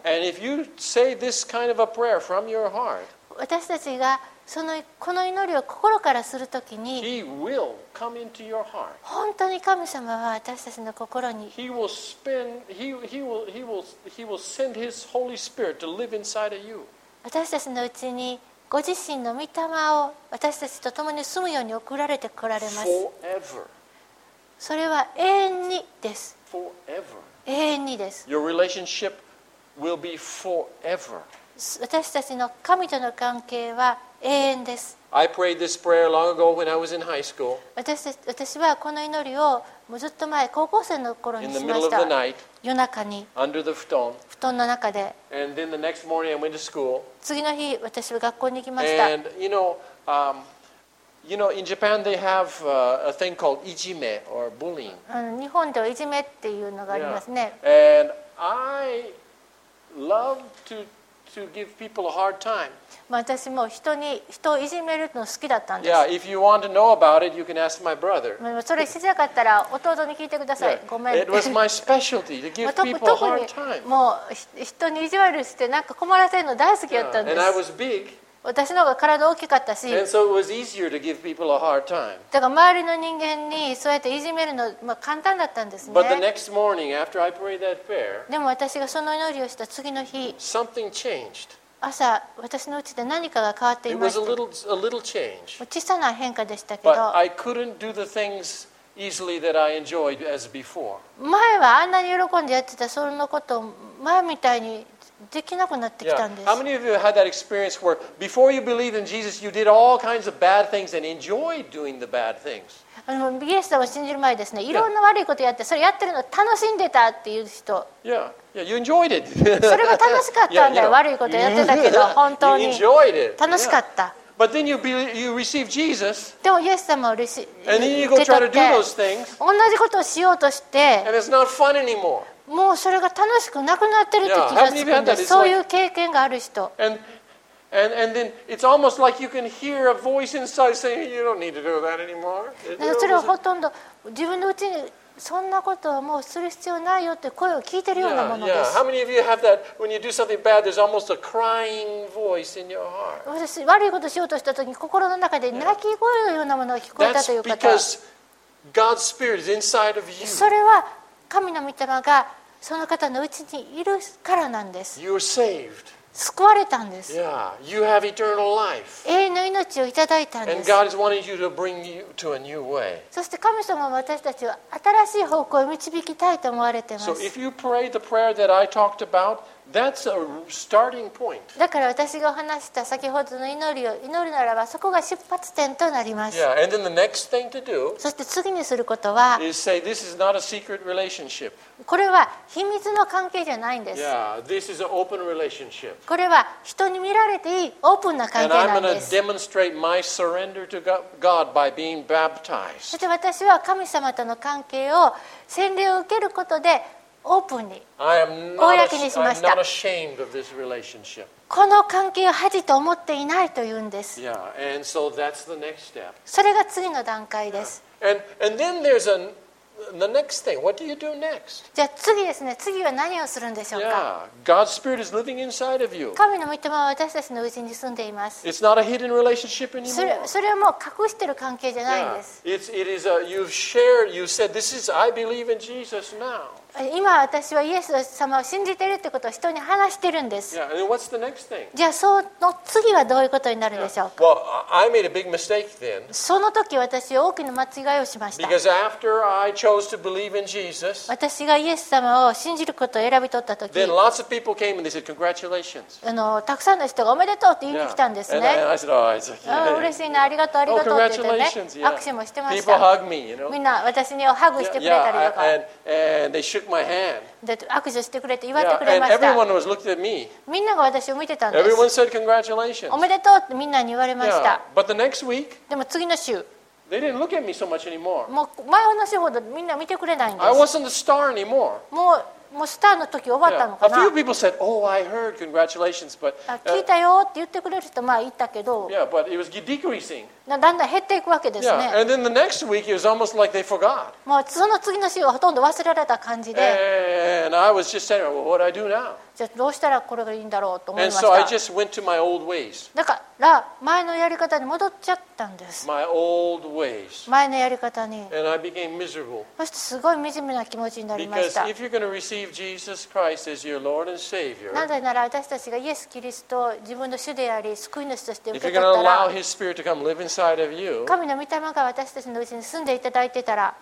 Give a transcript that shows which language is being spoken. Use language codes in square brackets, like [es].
[en] And if you say this kind of a prayer from your heart, [ja] 私たちがそのこの祈りを心からするときに、 [en] He will come into your heart. [ja] 本当に神様は私たちの心に、 [en] He will send His Holy Spirit to live inside of you. [ja] 私たちのうちにご自身の御霊を私たちと共に住むように送られてこられます。 [en] Forever. [ja] それは永遠にです。 [en] Forever. [ja] 永遠にです。 [en] Your relationship will be forever. [ja] 私たちの神との関係は永遠です。 [en] I prayed this prayer long ago when I was in high school. [ja] 私はこの祈りをもうずっと前、高校生の頃にしました。 [en] In the middle of the night, [ja] 夜中に。 [en] Under the [ja] 布団の中で。 [en] And then the next morning I went to school. [ja] 次の日私は学校に行きました。 [en] And you know, you know, in Japan they have a thing called ijime or bullying. [ja] 日本ではいじめっていうのがありますね。 [en] Yeah. And I love to give people a hard time. [ja] 私も人をいじめるの好きだったんです。 [en] Yeah, if you want to know about it, you can ask my brother. [ja] それ知りたかったら弟に聞いてください。 [en] Yeah. [ja] ごめん。 [en] It was my specialty to give people a hard time. [ja] もう人に意地悪してなんか困らせるの大好きだったんです。 [en] Yeah. And I was big. [ja] 私の方が体大きかったし、 [en] And so it was easier to give people a hard time. [ja] だから周りの人間にそうやっていじめるのは、まあ、簡単だったんですね。 [en] But the next morning, after I prayed that prayer, [ja] でも私がその祈りをした次の日、 [en] Something changed. [ja] 朝私のうちで何かが変わっていました。 [en] It was a little change. [ja] 小さな変化でしたけど、 [en] But I couldn't do the things easily that I enjoyed as before. [ja] 前はあんなに喜んでやってたそのことを前みたいにできなくなってきたんです。 [en] How many of you had that experience where before you believed in Jesus, you did all kinds of bad things and enjoyed doing the bad things? [ja] イエス様を信じる前ですね、いろんな悪いことやって、それやってるの楽しんでたっていう人。 [en] Yeah, you enjoyed it. [ja] それが楽しかったんだよ、悪いことやってたけど、本当に。 [en] You enjoyed it. [ja] 楽しかった。 [en] But then you receive Jesus. [ja] でもイエス様を受け取って、 [en] And then you go try to do those things. [ja] 同じことをしようとして、 [en] And it's not fun anymore. [ja] もうそれが楽しくなくなってるって気がするんです。そういう経験がある人。 [en] And then it's almost like you can hear a voice inside saying you don't need to do that anymore. [ja] それはほとんど自分のうちにそんなことはもうする必要ないよって声を聞いてるようなものです。 [en] How many of you have that when you do something bad, there's almost a crying voice in your heart? [ja] 私悪いことしようとしたときに心の中で泣き声のようなものが聞こえたという方。 [en] That's because God's spirit is inside of you. [ja] それは神の御霊がその方のうちにいるからなんです。 [en] You're saved. [ja] 救われたんです。 [en] Yeah. You have eternal life. [ja] 永遠の命をいただいたんです。 [en] And God is wanting you to bring you to a new way. [ja] そして神様は私たちを新しい方向へ導きたいと思われています。 [en] So if you pray the prayer that I talked about, that's a starting point. [ja] だから私がお話した先ほどの祈りを祈るならばそこが出発点となります。 [en] Yeah. And then the next thing to do, [ja] そして次にすることは、 [en] is say this is not a secret relationship. [ja] これは秘密の関係じゃないんです。 [en] Yeah, this is an open relationship. [ja] これは人に見られていいオープンな関係なんです。 [en] And I'm going to demonstrate my surrender to God by being baptized. [ja] そして私は神様との関係を洗礼を受けることでオープンに公にしました。 [en] I'm not ashamed of this relationship. [ja] この関係を恥と思っていないというんです。 [en] Yeah, and so that's the next step. [ja] それが次の段階です。 [en] Yeah. And then there's anThe next thing, what do you do next? [ja] じゃあ次ですね。次は何をするんでしょうか。 [en] Yeah, God's Spirit is living inside of you. [ja] 神の御霊は私たちのうちに住んでいます。 [en] It's not a hidden relationship anymore. [ja] それはもう隠してる関係じゃないんです。 [en] Yeah, it is you've shared, you said, this is, I believe in Jesus now. [ja] 今私はイエス様を信じてるってことを人に話してるんです。 [en] Yeah, and what's the next thing? [ja] じゃあその次はどういうことになるんでしょうか。 [en] Yeah. Well, I made a big mistake then. [ja] その時私は大きな間違いをしました。 [en] Because after I chose to believe in Jesus, [ja] 私がイエス様を信じることを選び取ったとき、 [en] then lots of people came and they said, "Congratulations." [ja] たくさんの人がおめでとうって言いに来たんですね。 [en] Yeah. And I said, "Oh, it's okay." [ja] うれしいな、ありがとう、ありがとうって言ってね、 [en] yeah. [ja] 握手もしてました。 [en] People hug me, you know. [ja] みんな私におハグしてくれたりとか。 [en] Yeah, yeah, and they shook my hand. [ja] で握手してくれて祝ってくれました。 [en] Yeah, everyone was looking at me. [ja] みんなが私を見てたんです。 [en] Everyone said, "Congratulations." [ja] おめでとうってみんなに言われました。 [en] Yeah. But the next week, [ja] でも次の週。 [en] They didn't look at me so much anymore. [ja] もう前話ほどみんな見てくれないんです。 [en] I wasn't the star anymore. [ja] もうスターの時終わったのかな。 [en] Yeah. A few people said, "Oh, I heard congratulations," but [ja] 聞いたよって言ってくれる人まあいたけど。 [en] Yeah, but it was decreasing. [ja] だんだん減っていくわけですね。 [en] Yeah. And then the next week, it was almost like they forgot. [ja] もうその次の週はほとんど忘れられた感じで。 [en] And I was just saying, "Well, what do I do now?" [ja] じゃあどうしたらこれがいいんだろうと思いました。 [en] And so I just went to my old ways. [ja] だから前のやり方に戻っちゃったんです。 [en] My old ways. [ja] 前のやり方に。 [en] And I became miserable. [ja] そしてすごい惨めな気持ちになりました。 [en] Because if you're going to receive Jesus Christ as your Lord and Savior, [ja] なぜなら私たちがイエス・キリストを自分の主であり救い主として受け取ったら、 [en] if you're going to allow His Spirit to come live inside of you, [ja] 神の御霊が私たちのうちに住んでいただいてたら、